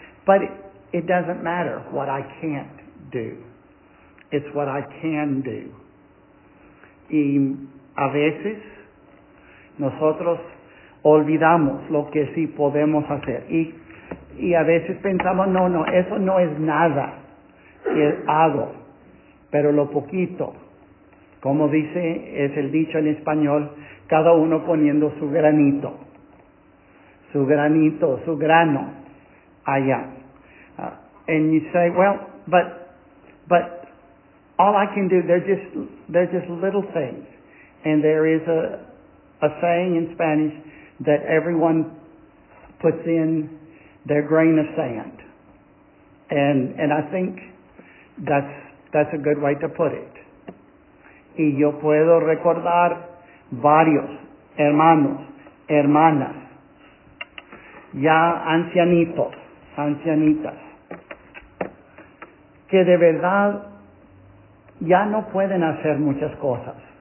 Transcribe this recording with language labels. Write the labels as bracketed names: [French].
[English] But it doesn't matter what I can't do. It's what I can do. [Spanish] Y a veces, nosotros olvidamos lo que sí podemos hacer. Y a veces pensamos, no, eso no es nada que hago. Pero lo poquito, como dice, es el dicho en español, cada uno poniendo su granito. Su granito, su grano allá. [English] And you say, well, but all I can do, they're just little things. And there is a saying in Spanish, that everyone puts in their grain of sand. And I think that's a good way to put it. [Spanish] Y yo puedo recordar varios hermanos, hermanas, ya ancianitas, que de verdad ya no pueden hacer muchas cosas.